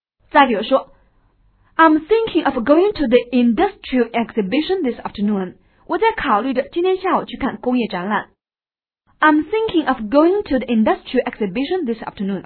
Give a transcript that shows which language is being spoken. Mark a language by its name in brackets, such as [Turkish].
[English] 再比如说 I'm thinking of going to the industrial exhibition this afternoon. [Chinese] 我在考虑着今天下午去看工业展览。 [English] I'm thinking of going to the industrial exhibition this afternoon.